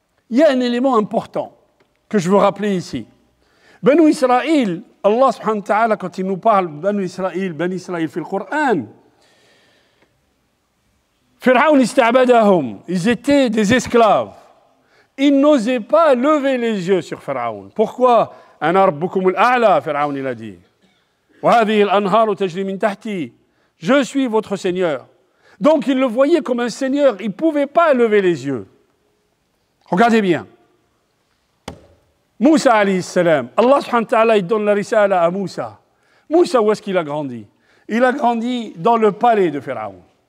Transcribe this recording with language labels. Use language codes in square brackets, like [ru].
[fr] Il y a un élément important que je veux rappeler ici. Banu Israël, Allah subhanahu wa ta'ala, quand il nous parle Banu Israël, Banu Israël, fil Coran, Pharaon [ar] ista'badahum, [fr] ils étaient des esclaves. Ils n'osaient pas lever les yeux sur Pharaon. Pourquoi ? [ar] أنا ربكم الأعلى، فرعون إلى دي، وهذه الأنهار تجري من تحتي، [fr] Je suis votre Seigneur. Donc il le voyait comme un Seigneur, il ne pouvait pas lever les yeux. Regardez bien. Moussa alayhi salam, Allah subhanahu wa ta'ala il donne la risala à Moussa. Moussa, où est-ce qu'il a grandi? Il a grandi dans le palais de Pharaon.